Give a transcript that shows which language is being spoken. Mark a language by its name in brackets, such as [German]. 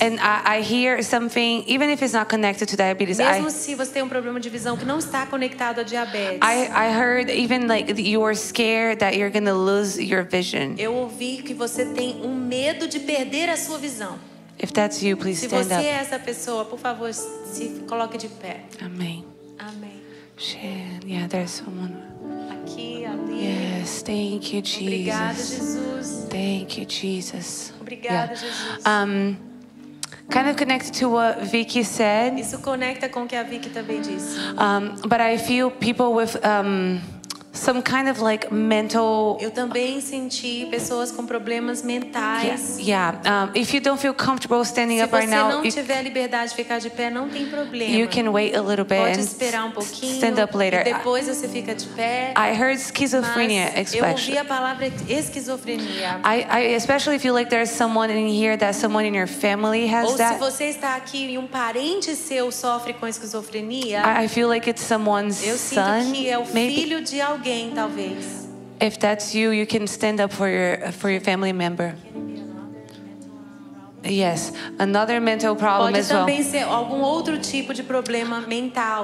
[English] And I hear something, even if it's not connected to diabetes. [Portuguese] Mesmo [English] I, [Portuguese] se você tem um problema de visão que não está conectado à diabetes. [English] I heard even like you were scared that you're gonna lose your vision. [Portuguese] Eu ouvi que você tem um medo de perder a sua visão. [English] If that's you, please stand up. [Portuguese] Se você é essa pessoa, por favor, se coloque de pé. Amém. Amém. [English] Yeah, there's someone. [Portuguese] Aqui, ali. [English] Yes, thank you, Jesus. [Portuguese] Obrigado, Jesus. [English] Thank you, Jesus. [Portuguese] Obrigado, Jesus. [English] Kind of connected to what Vicky said. [Portuguese] Isso conecta com o que a Vicky também disse. [English] But I feel people with some kind of like mental. [Portuguese] Eu também senti pessoas com problemas mentais. [English] Yeah. If you don't feel comfortable standing [Portuguese] se [English] up right now, [Portuguese] se você não tiver liberdade de ficar de pé, não tem problema. [English] You can wait a little bit. [Portuguese] Pode esperar um pouquinho. [English] Stand up later. [Portuguese] E depois você fica de pé. [English] I heard schizophrenia. [Portuguese] Eu ouvi a palavra esquizofrenia. [English] I especially if you like there's someone in here that someone in your family has [Portuguese] ou [English] that. [Portuguese] Ou se você está aqui e um parente seu sofre com esquizofrenia. [English] I feel like it's someone's [Portuguese] eu [English] son. [Portuguese] Eu sinto que é o filho de alguém. [English] If that's you, you can stand up for your family member. Yes, another mental problem [Portuguese] pode [English] as well. [Portuguese] Pode também ser algum outro tipo de problema mental.